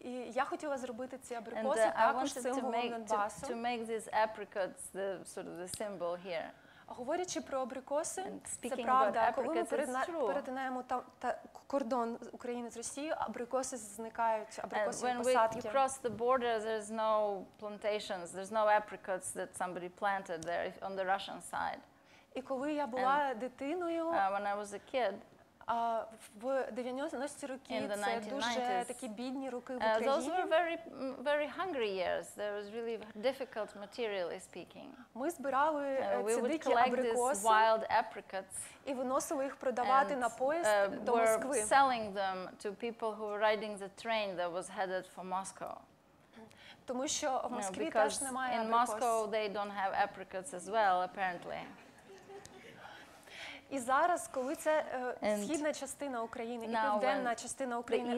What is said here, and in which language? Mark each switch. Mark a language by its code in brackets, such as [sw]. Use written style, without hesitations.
[uk] Я хотіла зробити ці абрикоси також символом Донбасу. [en] To make these apricots the sort of the symbol here. [uk] Говорячи про абрикоси, це правда, коли ми перетинаємо кордон України з Росією, абрикоси зникають, абрикосові посадки. [en] And when you cross the border, there's no plantations, there's no apricots that somebody planted there on the Russian side. [uk] І коли я була дитиною, [en] when I was a kid, [uk] в 90-ті роки це дуже такі бідні роки в Україні. [en] Those were very, very hungry years. There was really difficult, materially speaking. [uk] Ми збирали ці дикі абрикоси. [en] We would collect these wild apricots. [uk] І виносили їх продавати на поїзд до Москви. [en] We were selling them to people who were riding the train that was headed for Moscow. [uk] Тому що в Москві теж немає абрикос. [en] Because in Moscow they don't have apricots as well, apparently. [uk] І зараз, коли це східна частина України і південна частина України